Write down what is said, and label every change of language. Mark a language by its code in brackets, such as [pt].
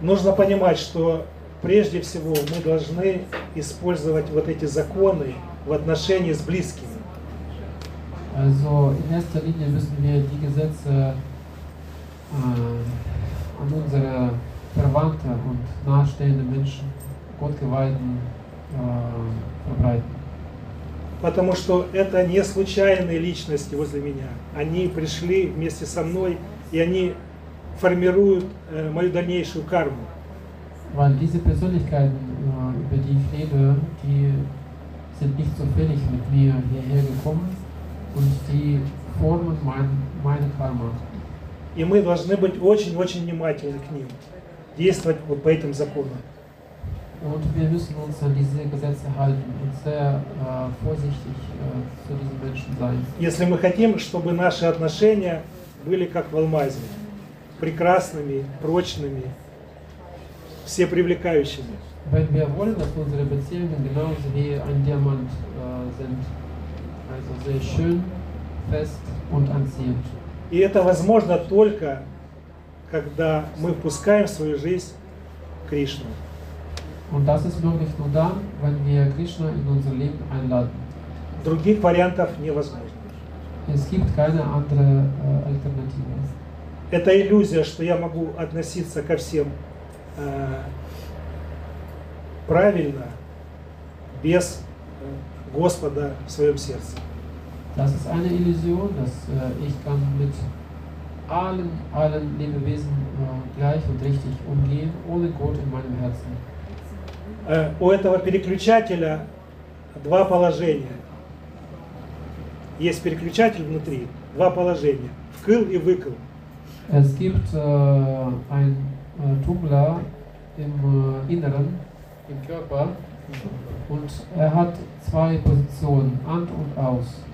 [ru] Нужно понимать, что прежде всего мы должны использовать вот эти законы в отношении с близкими. [de] Also in erster Linie müssen wir die Gesetze an unsere Verwandte und nahestehende Menschen, Gottgeweihten, verbreiten. [ru] Потому что это не случайные личности возле меня. Они пришли вместе со мной, и они формируют мою дальнейшую карму. [de] Weil diese Persönlichkeiten, über die ich rede, die sind nicht zufällig mit mir hierher gekommen und die formen meine Karma. [ru] И мы должны быть очень-очень внимательны к ним, действовать вот по этим законам. [de] Und wir müssen uns an diese Gesetze halten und sehr vorsichtig zu diesen Menschen sein. [ru] Если мы хотим, чтобы наши отношения были как в алмазе, прекрасными, прочными, всепривлекающими. [de] Wenn wir wollen, dass unsere Beziehungen genauso wie ein Diamant sind, also sehr schön, fest und anziehend. [ru] И это возможно только, когда мы впускаем в свою жизнь Кришну. [de] Und das ist möglich nur dann, wenn wir Krishna in unser Leben einladen. [ru] Других вариантов невозможно. [de] Es gibt keine andere Alternative. [ru] Это иллюзия, что я могу относиться ко всем правильно, без Господа в своем сердце. [de] Das ist eine Illusion, dass ich kann mit allen Lebewesen gleich und richtig umgehen, ohne Gott in meinem Herzen. [ru] У этого переключателя два положения. Есть переключатель внутри, два положения. Вкл и выкл. [de] Es gibt ein Tumbler im Inneren, im Körper, und hat zwei Positionen, an und aus.